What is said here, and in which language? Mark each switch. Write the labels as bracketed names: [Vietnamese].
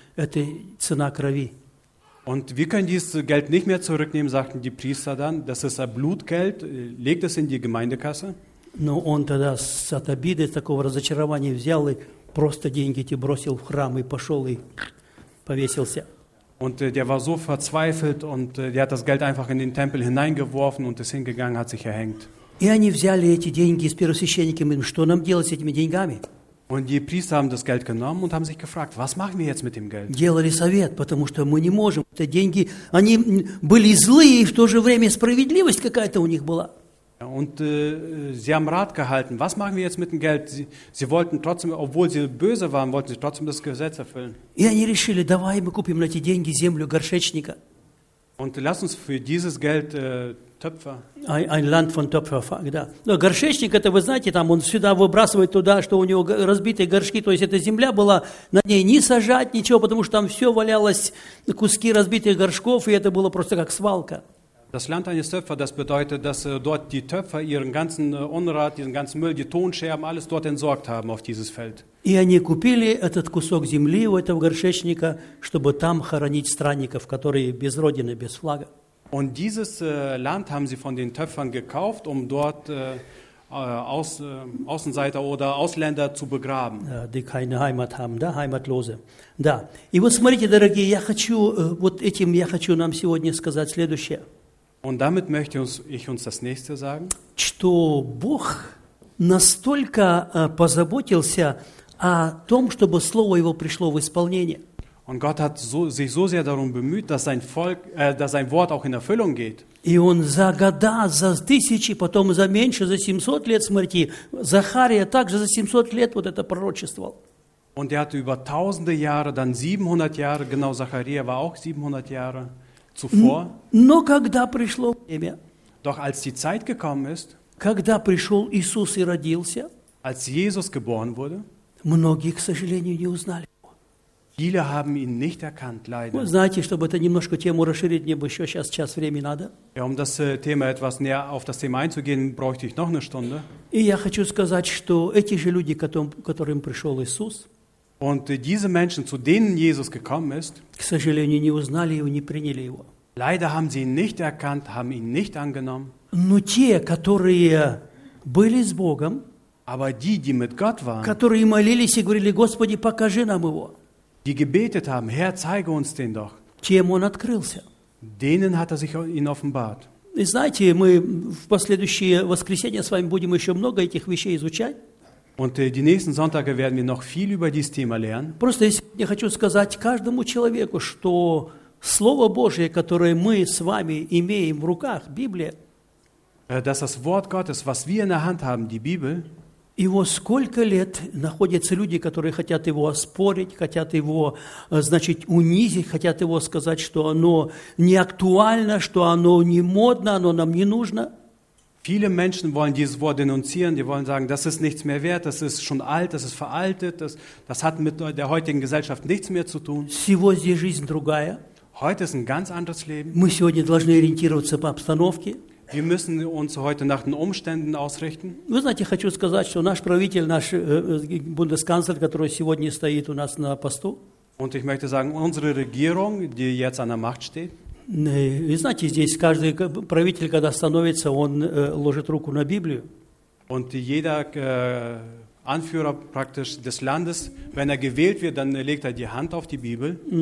[Russian] Это цена крови. [German] Und wir können dieses Geld nicht mehr zurücknehmen, sagten die Priester dann. Das ist ein Blutgeld, legt es in die Gemeindekasse. [Russian] Но он тогда с от обиды, такого разочарования взял и просто деньги эти бросил в храм и пошел и повесился. [German] Und der war so verzweifelt und der hat das Geld einfach in den Tempel hineingeworfen und ist hingegangen, hat sich erhängt. [Russian] И они взяли эти деньги с первосвященниками, что нам делать с этими деньгами? [German] Und die Priester haben das Geld genommen und haben sich gefragt, was machen wir jetzt mit dem Geld? [Russian] Делали совет, потому что мы не можем. Эти деньги, они были злые и в то же время справедливость какая-то у них была. [German] Und sie haben Rat gehalten, was machen wir jetzt mit dem Geld? Sie wollten trotzdem, obwohl sie böse waren, wollten sie trotzdem das Gesetz erfüllen. [Russian] И они решили, давай мы купим эти деньги землю горшечника. [German] Und lass uns für dieses Geld Töpfer. Ein Land von Töpfer, [Russian] да. Но горшечник это, вы знаете, там он сюда выбрасывает туда, что у него разбитые горшки, то есть эта земля была, на ней не сажать ничего, потому что там все валялось, куски разбитых горшков, и это было просто как свалка. [German] Das Land eines Töpfers, das bedeutet, dass dort die Töpfer ihren ganzen Unrat, diesen ganzen Müll, die Tonscherben, alles dort entsorgt haben auf dieses Feld. [Russian] И они купили этот кусок земли у этого горшечника, чтобы там хоронить странников, которые без родины, без флага. [German] Und dieses Land haben sie von den Töpfern gekauft, um dort Außenseiter oder Ausländer zu begraben. Die keine Heimat haben, [Russian] да, [German] Heimatlose. [Russian] Да. И вот смотрите, дорогие, я хочу вот этим я хочу нам сегодня сказать следующее. [German] Und damit möchte ich uns das nächste sagen. [Russian] Что Бог настолько позаботился о том, чтобы слово его пришло в исполнение. [German] Und Gott hat sich so sehr darum bemüht, dass sein Volk, dass sein Wort auch in Erfüllung geht. [Russian] И он за года, за тысячи, потом за меньше, за 700 лет, смотрите, Захария также за 700 лет вот это пророчествовал. [German] Und er hat über tausende Jahre, dann 700 Jahre, genau, Zacharia war auch 700 Jahre zuvor. [Russian] Но когда пришло время, [German] doch als die Zeit gekommen ist, [Russian] когда пришел Иисус и родился, [German] als Jesus geboren wurde, [Russian] многие, к сожалению, не узнали. [German] Viele haben ihn nicht erkannt, leider. [Russian] Вы знаете, чтобы это немножко тему расширить, мне бы еще сейчас час времени надо. [German] Ja, um das Thema etwas näher auf das Thema einzugehen, bräuchte ich noch eine Stunde. [Russian] И я хочу сказать, что эти же люди, которым пришел Иисус, [German] und diese Menschen, zu denen Jesus gekommen ist, [Russian] к сожалению, не узнали его, не приняли его. [German] Leider haben sie ihn nicht erkannt, haben ihn nicht angenommen. [Russian] Но те, которые были с Богом, [German] aber die, die mit Gott waren, [Russian] которые молились и говорили, Господи, покажи нам его. [German] Die gebetet haben, Herr, zeige uns den doch. [Russian] Чем он открылся? [German] Denen hat er sich ihn offenbart. [Russian] И знаете, мы в последующее воскресенье с вами будем еще много этих вещей изучать. [German] Und die nächsten Sonntage werden wir noch viel über dieses Thema lernen. [Russian] Просто я хочу сказать каждому человеку, что Слово Божие, которое мы с вами имеем в руках, Библия, [German] dass das Wort Gottes, was wir in der Hand haben, die Bibel, [Russian] его сколько лет находятся люди, которые хотят его оспорить, хотят его, значит, унизить, хотят его сказать, что оно не актуально, что оно не модно, оно нам не нужно. [German] Viele Menschen wollen dieses Wort denunzieren, die wollen sagen, das ist nichts mehr wert, das ist schon alt, das ist veraltet, das hat mit der heutigen Gesellschaft nichts mehr zu tun. [Russian] Сегодня жизнь другая. [German] Heute ist ein ganz anderes Leben. [Russian] Мы сегодня должны ориентироваться по обстановке. [German] Wir müssen uns heute nach den Umständen ausrichten. [Russian] Вы знаете, хочу сказать, что наш правитель, наш Бундесканцлер, который сегодня стоит у нас на посту. [German] Und ich möchte sagen, unsere Regierung, die jetzt an der Macht steht. [Russian] Вы знаете, здесь каждый правитель, когда становится, он ложит руку на Библию. [German] Und jeder Anführer praktisch des Landes, wenn er gewählt wird, dann legt er die Hand auf die Bibel.